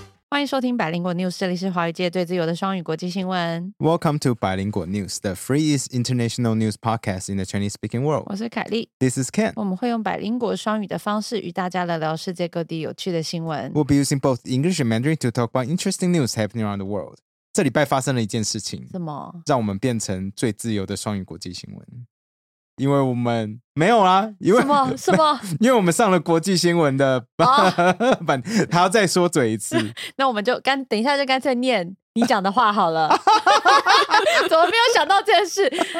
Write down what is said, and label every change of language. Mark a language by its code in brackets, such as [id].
[zh] 欢迎收听百灵果 news， 这里是华语界最自由的双语国际新闻。 [en] Welcome to 百灵果 news， the freest international news podcast in the Chinese speaking world。 [zh] 我是凯莉 [en] ，This is Ken。 [zh] 我们会用百灵果双语的方式与大家聊聊世界各地有趣的新闻。 [en] We'll be using both English and Mandarin to talk about interesting news happening around the world。 [zh] 这礼拜发生了一件事情，什么？让我们变成最自由的双语国际新闻。因为我们没有啦，因为什么什么？因为我们上了国际新闻的版，他要再说嘴一次。那我们就等一下就干脆念你讲的话好了。怎么没有想到这件事？